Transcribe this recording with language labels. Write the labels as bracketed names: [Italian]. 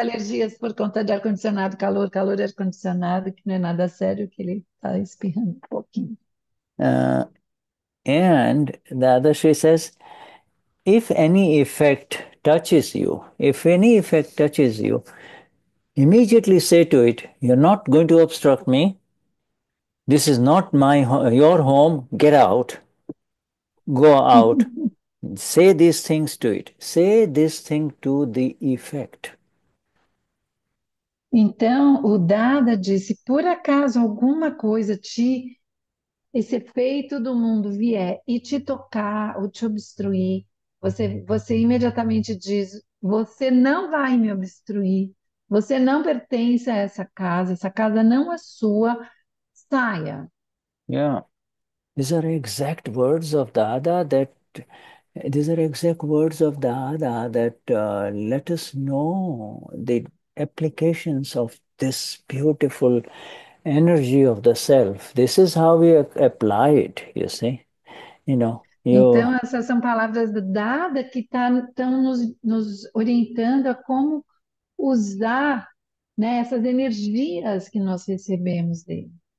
[Portuguese] alergias por conta de ar-condicionado, calor, calor de ar-condicionado, que não é nada sério, que ele está espirrando um pouquinho. [English] and the other she says, if any effect touches you, if any effect touches you, immediately say to it, you're not going to obstruct me. This is not your home. Get out. Go out. Say these things to it. Say this thing to the effect. [Portuguese] Então, o Dada disse: por acaso alguma coisa esse efeito do mundo vier e te tocar ou te obstruir, você imediatamente diz: você não vai me obstruir, você não pertence a essa casa não é sua, saia. [English] Yeah, these are exact words of Dada that these are exact words of Dada that let us know the applications of this beautiful energy of the self. This is how we apply it, you see. [Portuguese] Então, essas são palavras do Dada que estão nos orientando a como usar, né, essas energias que nós recebemos dele.